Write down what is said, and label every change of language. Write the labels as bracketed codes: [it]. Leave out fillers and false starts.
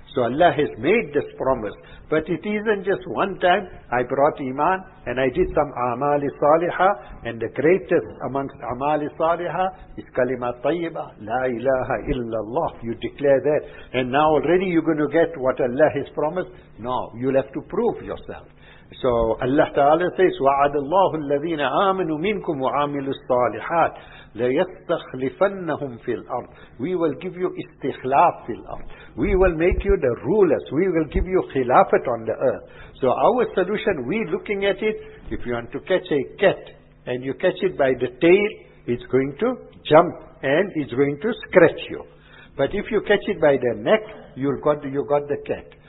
[en] So Allah has made this promise. But it isn't just one time I brought iman and I did some amal saliha. And the greatest amongst amal saliha is kalima tayyiba. La ilaha illallah. You declare that. And now already you're going to get what Allah has promised. No, you'll have to prove yourself. So Allah Ta'ala says, [ar] وَعَدَ اللَّهُ الَّذِينَ آمَنُوا مِنْكُمْ وَعَامِلُوا الصَّالِحَاتِ لَيَسْتَخْلِفَنَّهُمْ فِي الْأَرْضِ. [en] We will give you istikhlaf fi al-ard. We will make you the rulers. We will give you khilafat on the earth. So our solution, we looking at it, if you want to catch a cat, and you catch it by the tail, it's going to jump, and it's going to scratch you. But if you catch it by the neck, you got the cat.